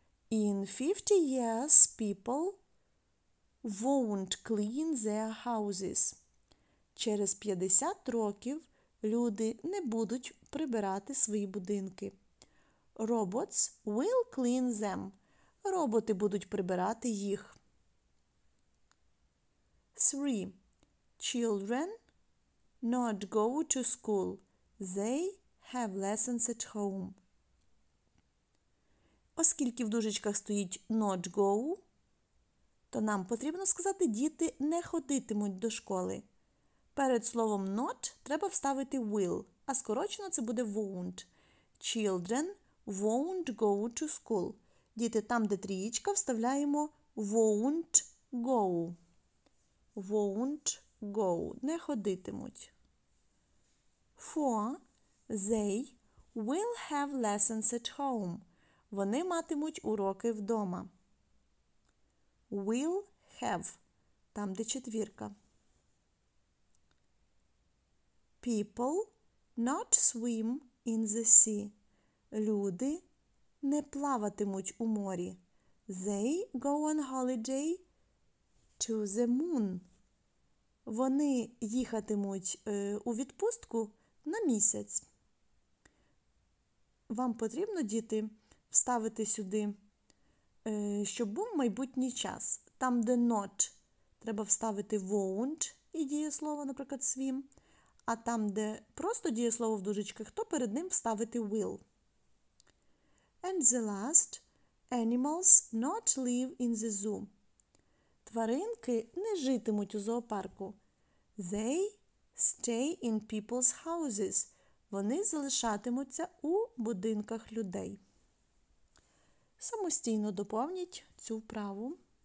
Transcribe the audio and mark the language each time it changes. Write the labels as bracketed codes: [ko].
[en] In 50 years, people won't clean their houses. [uk] Через 50 років Люди не будуть прибирати свої будинки. [en] Robots will clean them. [uk] Роботи будуть прибирати їх. 3. [en] Children not go to school. They have lessons at home. [uk] Оскільки в дужечках стоїть not go, то нам потрібно сказати, діти не ходитимуть до школи. Перед словом not треба вставити will, а скорочено це буде won't. [en] Children won't go to school. [uk] Діти там, де трієчка, вставляємо won't go. [en] Won't go. [uk] Не ходитимуть. [en] 4. They will have lessons at home. [uk] Вони матимуть уроки вдома. [en] Will have. [uk] Там, де четвірка. [en] People not swim in the sea. [uk] Люди не плаватимуть у морі. [en] They go on holiday to the moon. [uk] Вони їхатимуть у відпустку на місяць. Вам потрібно, діти, вставити сюди, щоб був майбутній час. Там, де not, треба вставити won't і дієслово, наприклад, swim. А там, де просто дієслово в дужечках, то перед ним вставити will. [en] And the last, animals not live in the zoo. [uk] Тваринки не житимуть у зоопарку. [en] They stay in people's houses. [uk] Вони залишатимуться у будинках людей. Самостійно доповніть цю вправу.